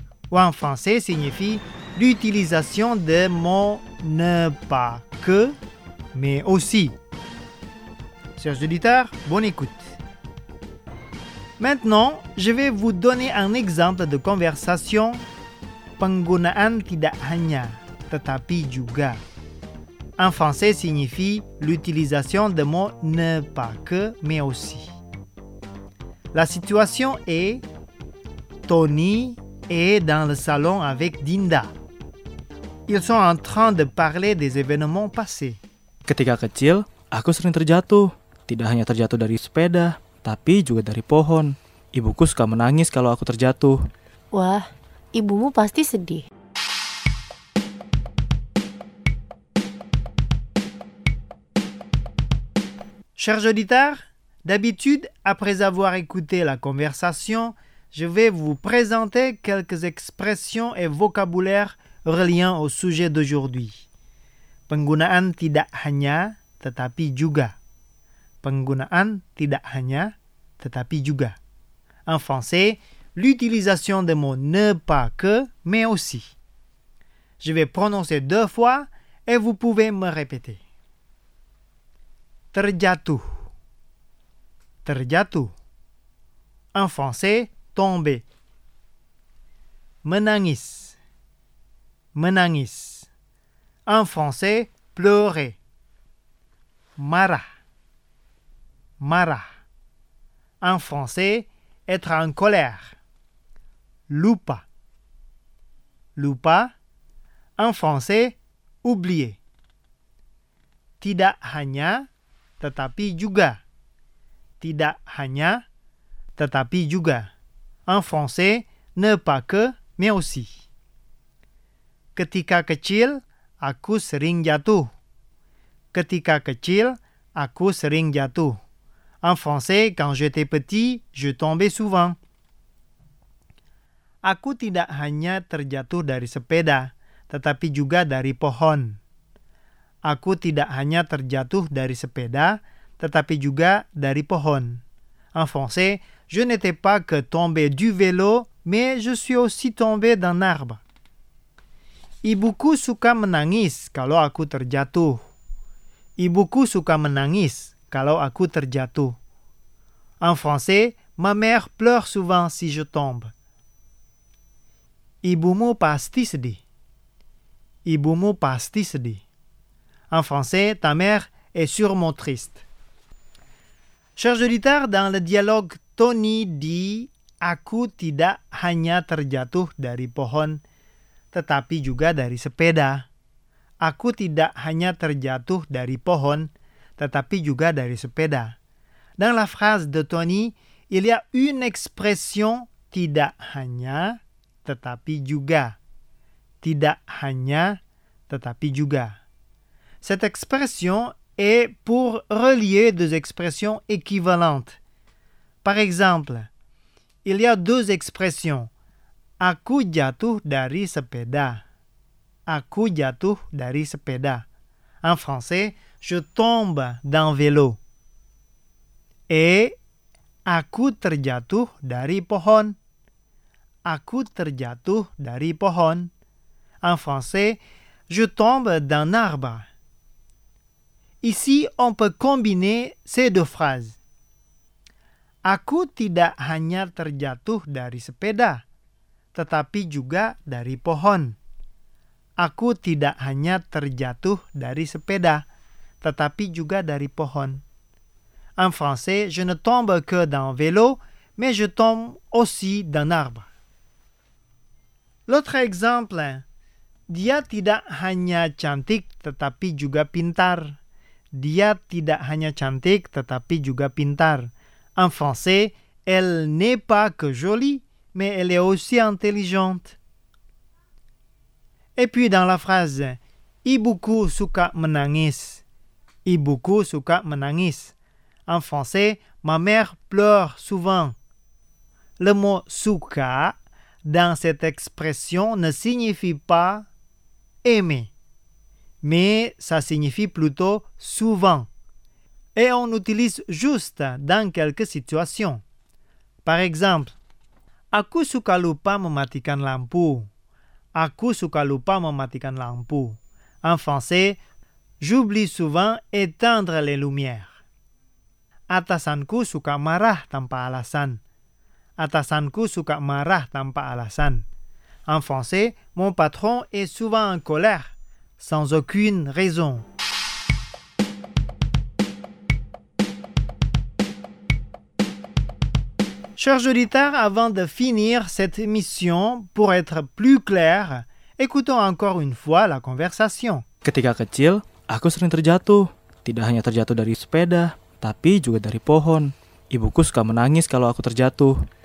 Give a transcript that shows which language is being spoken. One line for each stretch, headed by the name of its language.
French: Ou en français signifie l'utilisation de mots ne pas que, mais aussi. Chers auditeurs, bonne écoute. Maintenant, je vais vous donner un exemple de conversation.
Indonesian: Penggunaan tidak hanya, tetapi juga.
French: En français, signifie l'utilisation de mots ne pas que, mais aussi. La situation est Tony est dans le salon avec Dinda. Ils sont en train de parler des événements passés.
Indonesian: Ketika kecil, aku sering terjatuh. Tidak hanya terjatuh dari sepeda, tapi juga dari pohon. Ibuku suka menangis kalau aku terjatuh. Wah, ibumu pasti sedih.
French: Chers auditeurs, d'habitude, après avoir écouté la conversation, je vais vous présenter quelques expressions et vocabulaire reliant au sujet d'aujourd'hui.
Indonesian: Penggunaan tidak hanya, tetapi juga. Penggunaan tidak hanya, tetapi juga.
French: En français, l'utilisation des mots ne pas que, mais aussi. Je vais prononcer deux fois et vous pouvez me répéter.
Indonesian: Terjatuh. Terjatuh.
French: En français, tomber.
Indonesian: Menangis. Menangis.
French: En français, pleurer.
Indonesian: Marah. Marah.
French: En français, être en colère.
Indonesian: Lupa. Lupa.
French: En français, oublier.
Indonesian: Tidak hanya, tetapi juga. Tidak hanya, tetapi juga.
French: En français, ne pas que, mais aussi.
Indonesian: Ketika kecil, aku sering jatuh. Ketika kecil, aku sering jatuh.
French: En français, quand j'étais petit, je tombais souvent.
Indonesian: Aku tidak hanya terjatuh dari sepeda, tetapi juga dari pohon. Aku tidak hanya terjatuh dari sepeda, tetapi juga dari pohon.
French: En français, je n'étais pas que tombé du vélo, mais je suis aussi tombé d'un arbre.
Indonesian: Ibuku suka menangis kalau aku terjatuh. Ibuku suka menangis kalau aku terjatuh.
French: En français, ma mère pleure souvent si je tombe.
Indonesian: Ibumu pasti sedih. Ibumu pasti sedih.
French: En français, ta mère est sûrement triste. Chers auditeurs, dans le dialogue, Tony dit «
Indonesian: Aku tidak hanya terjatuh dari pohon, tetapi juga dari sepeda. Aku tidak hanya terjatuh dari pohon, tetapi juga dari sepeda. »
French: Dans la phrase de Tony, il y a une expression
Indonesian: « tidak hanya, tetapi juga ». Tidak hanya, tetapi juga.
French: Cette expression est pour relier deux expressions équivalentes. Par exemple, il y a deux expressions.
Indonesian: Aku jatuh dari sepeda. Aku jatuh dari sepeda.
French: En français, je tombe d'un vélo.
Indonesian: Et aku terjatuh dari pohon. Aku terjatuh dari pohon.
French: En français, je tombe d'un arbre. Ici, on peut combiner ces deux phrases.
Indonesian: Aku tidak hanya terjatuh dari sepeda, tetapi juga dari pohon. Aku tidak hanya terjatuh dari sepeda, tetapi juga dari pohon.
French: En français, je ne tombe que d'un vélo, mais je tombe aussi d'un arbre. L'autre exemple,
Indonesian: dia tidak hanya cantik, tetapi juga pintar. Dia tidak hanya cantik, tetapi juga pintar.
French: En français, elle n'est pas que jolie, mais elle est aussi intelligente. Et puis dans la phrase,
Indonesian: ibuku suka menangis. Ibuku suka menangis.
French: En français, ma mère pleure souvent. Le mot suka, dans cette expression, ne signifie pas aimer. Mais ça signifie plutôt souvent. Et on l'utilise juste dans quelques situations. Par exemple,
Indonesian: aku suka lupa mematikan lampu. Aku suka lupa mematikan lampu.
French: En français, j'oublie souvent éteindre les lumières.
Indonesian: Atasanku suka marah tanpa alasan. Atasanku suka marah tanpa alasan.
French: En français, mon patron est souvent en colère. Sans aucune raison. Mmh. Chers auditeurs, avant de finir cette émission, pour être plus clair, écoutons encore une fois la conversation.
Indonesian: Ketika kecil, aku sering terjatuh. Tidak hanya terjatuh dari sepeda, tapi juga dari pohon. Ibuku suka menangis kalau aku terjatuh.